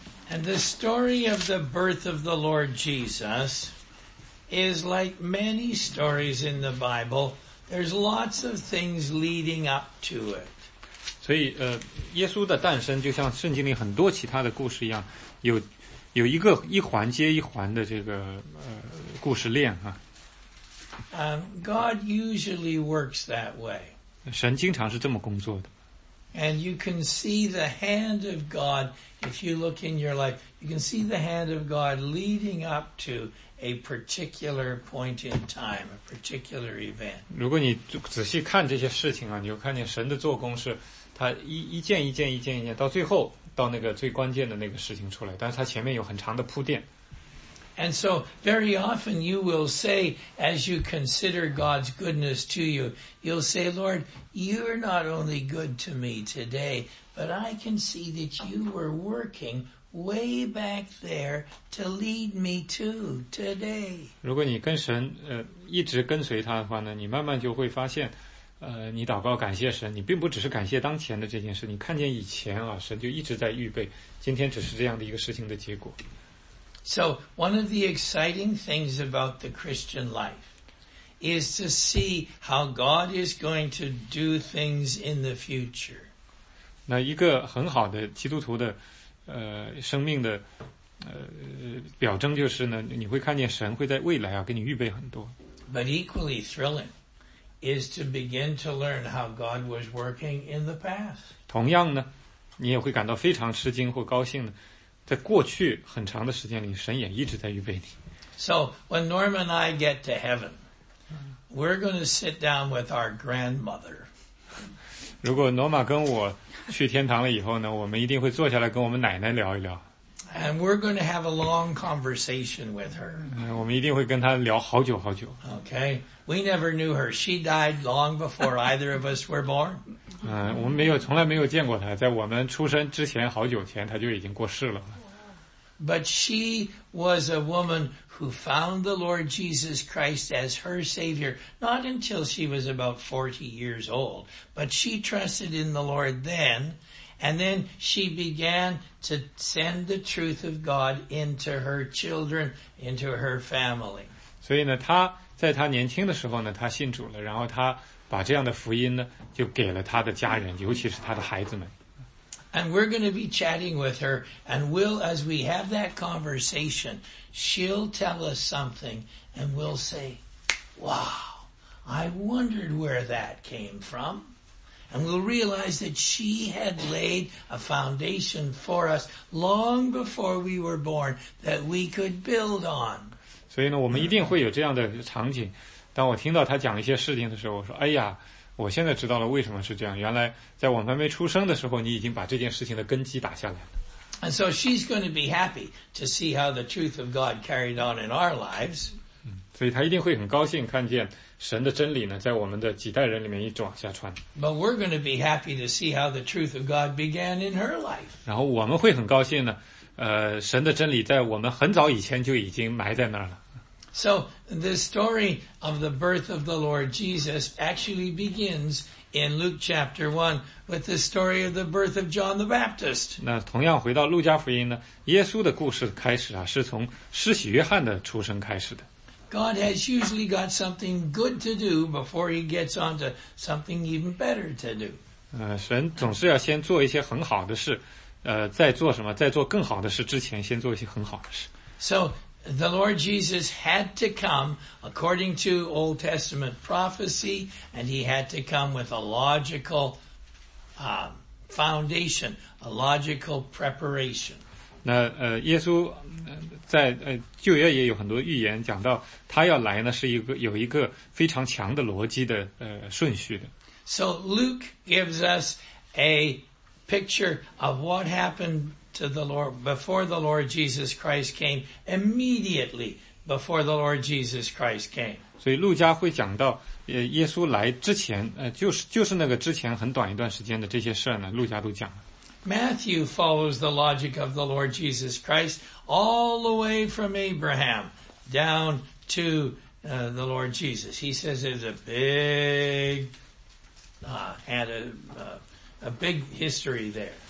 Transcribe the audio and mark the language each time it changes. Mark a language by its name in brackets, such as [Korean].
[English] And the story of the birth of the Lord Jesus is like many stories in the Bible. There's lots of things leading up to it. [Chinese] 所以耶稣的诞生就像圣经里很多其他的故事一样，有一个一环接一环的这个故事链啊。 [English] God usually works that way. [Chinese] 神经常是这么工作的。 [English] And you can see the hand of God, if you look in your life, you can see the hand of God leading up to a particular point in time, a particular event. [Chinese] 如果你仔细看这些事情啊，你就看见神的做工是他一件一件到最后到那个最关键的那个事情出来，但是他前面有很长的铺垫。 [English] And so very often you will say, as you consider God's goodness to you, you'll say, Lord, you're not only good to me today, but I can see that you were working way back there to lead me to today. [Chinese] 如果你跟神一直跟随他的话呢，你慢慢就会发现你祷告感谢神，你并不只是感谢当前的这件事，你看见以前啊，神就一直在预备，今天只是这样的一个事情的结果。 [English] So, one of the exciting things about the Christian life is to see how God is going to do things in the future. [Chinese] 那一个很好的基督徒的生命的表征就是呢，你会看见神会在未来啊给你预备很多。 [English] But equally thrilling is to begin to learn how God was working in the past. [Chinese] 同样呢，你也会感到非常吃惊或高兴的，在过去很长的时间里，神也一直在预备你。 [English] So, when Norm and I get to heaven, we're going to sit down with our grandmother. [Chinese] 如果罗马跟我去天堂了以后呢，我们一定会坐下来跟我们奶奶聊一聊。 [English] And we're going to have a long conversation with her. [Chinese] 我们一定会跟她聊好久好久。 [English] Okay. We never knew her. She died long before either of us were born. [Chinese] 我们从来没有见过她，在我们出生之前好久前她就已经过世了。 [English] But she was a woman who found the Lord Jesus Christ as her Savior, not until she was about 40 years old, but she trusted in the Lord then, and then she began to send the truth of God into her children, into her family. [Chinese] 所以呢，她在她年轻的时候呢，她信主了，然后她把这样的福音呢，就给了她的家人，尤其是她的孩子们。 [English] And we're going to be chatting with her, and we'll, as we have that conversation, she'll tell us something, and we'll say, wow, I wondered where that came from. And we'll realize that she had laid a foundation for us long before we were born that we could build on. [Chinese] 所以呢，我们一定会有这样的场景。当我听到她讲一些事情的时候，我说，哎呀，我现在知道了为什么是这样。原来在我们还没出生的时候，你已经把这件事情的根基打下来了。 [English] And so she's going to be happy to see how the truth of God carried on in our lives. [Chinese] 所以她一定会很高兴看见神的真理呢，在我们的几代人里面一直往下传。 [English] But we're going to be happy to see how the truth of God began in her life. [Chinese] 然后我们会很高兴呢，神的真理在我们很早以前就已经埋在那儿了。 [English] So, the story of the birth of the Lord Jesus actually begins in Luke chapter 1 with the story of the birth of John the Baptist. [Chinese] 那同样回到路加福音呢，耶稣的故事开始啊，是从施洗约翰的出生开始的。 [English] God has usually got something good to do before he gets on to something even better to do. [Chinese] 神总是要先做一些很好的事，在做什么，在做更好的事之前，先做一些很好的事。 [English] So,The Lord Jesus had to come according to Old Testament prophecy, and he had to come with a logical, foundation, a logical preparation. [Chinese] 那耶稣在旧约也有很多预言讲到他要来呢是有一个非常强的逻辑的顺序的。 [English] So Luke gives us a picture of what happened to the Lord before the Lord Jesus Christ came, immediately before the Lord Jesus Christ came. [Chinese] 所以路加会讲到耶稣来之前就是那个之前很短一段时间的这些事呢路加都讲了。 [English] Matthew follows the logic of the Lord Jesus Christ all the way from Abraham down to the Lord Jesus. He says there's a big, a big history there.